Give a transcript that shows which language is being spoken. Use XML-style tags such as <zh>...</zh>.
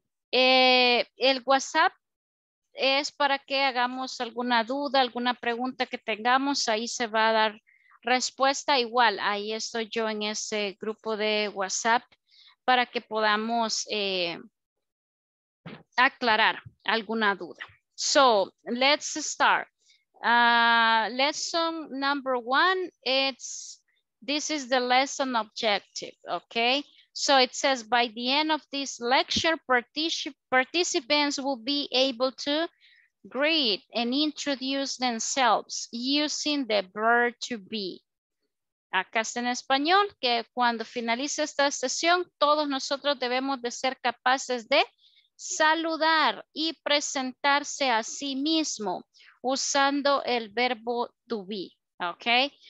<es>El WhatsApp es para que hagamos alguna duda, alguna pregunta que tengamos, ahí se va a dar respuesta igual, ahí estoy yo en ese grupo de WhatsApp para que podamos aclarar alguna duda.</es> <en>So, let's start. Lesson number one, this is the lesson objective, okay? So it says, by the end of this lecture, participants will be able to greet and introduce themselves using the verb to be.</en> <es>Acá está en español que cuando finalice esta sesión, todos nosotros debemos de ser capaces de saludar y presentarse a sí mismo usando el verbo to be, ¿ok?</es>